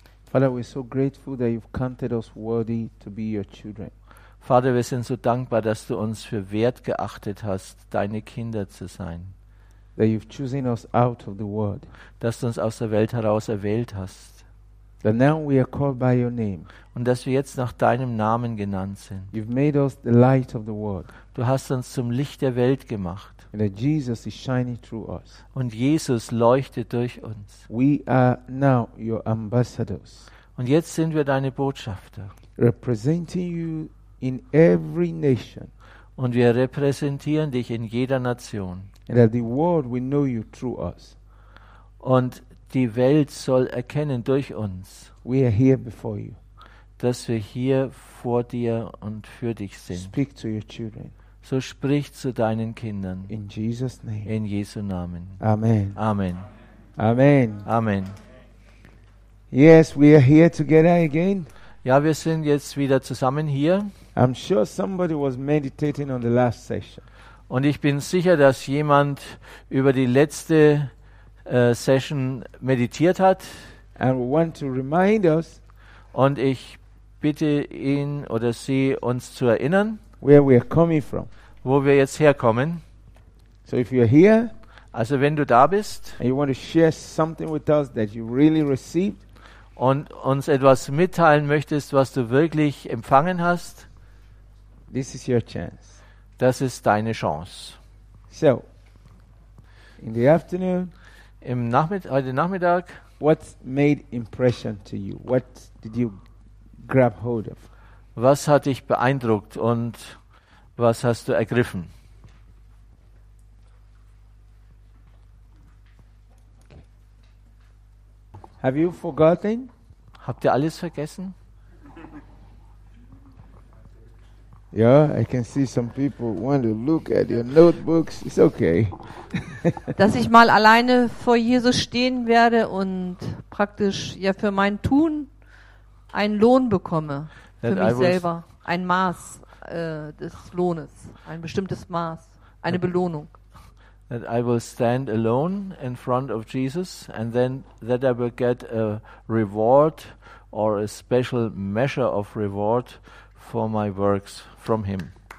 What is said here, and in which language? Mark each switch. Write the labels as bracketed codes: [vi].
[en] Father, we're so grateful that you've counted us worthy to be your children. [de] Vater, wir sind so dankbar, dass du uns für wert geachtet hast, deine Kinder zu sein. [en] That you've chosen us out of the world. [de] Dass du uns aus der Welt heraus erwählt hast. [en] That now we are called by your name. [de] Und dass wir jetzt nach deinem Namen genannt sind. [en] You've made us the light of the world. [de] Du hast uns zum Licht der Welt gemacht. [en] And that Jesus is shining through us. [de] Und Jesus leuchtet durch uns. [en] We are now your ambassadors. [de] Und jetzt sind wir deine Botschafter. [en] Representing you in every nation. [de] Und wir repräsentieren dich in jeder Nation. [en] And that the world will know you through us. [de] Und die Welt soll erkennen durch uns. [en] We are here before you. [de] Dass wir hier vor dir und für dich sind. [en] Speak to your children. [de] So sprich zu deinen Kindern. [en] In Jesus name. [de] In Jesu Namen. [en] Amen. [de] Amen. [en] Amen. [de] Amen. [en] Yes, we are here together again. [de] Ja, wir sind jetzt wieder zusammen hier. [en] I'm sure somebody was meditating on the last session. [de] Und ich bin sicher, dass jemand über die letzte Session meditiert hat. [en] And we want to remind us. [de] Und ich bitte ihn oder sie, uns zu erinnern, [en] where we are coming from. [de] Wo wir jetzt herkommen. [en] So if you're here, [de] also wenn du da bist, [en] and you want to share something with us that you really received, [de] und uns etwas mitteilen möchtest, was du wirklich empfangen hast, [en] this is your chance. [de] Das ist deine Chance. [en] So, in the afternoon, [de] heute Nachmittag, [en] what made impression to you? What did you grab hold of? [de] Was hat dich beeindruckt und was hast du ergriffen? [en] Have you forgotten? [de] Habt ihr alles vergessen? [en] Ja, yeah, I can see some people want to look at your notebooks. It's okay. [de] Dass ich mal alleine vor Jesus stehen werde und praktisch ja für mein Tun einen Lohn bekomme für mich selber, ein Maß des Lohnes, ein bestimmtes Maß, eine Belohnung. [en] That I will stand alone in front of Jesus and then that I will get a reward or a special measure of reward for my works from him.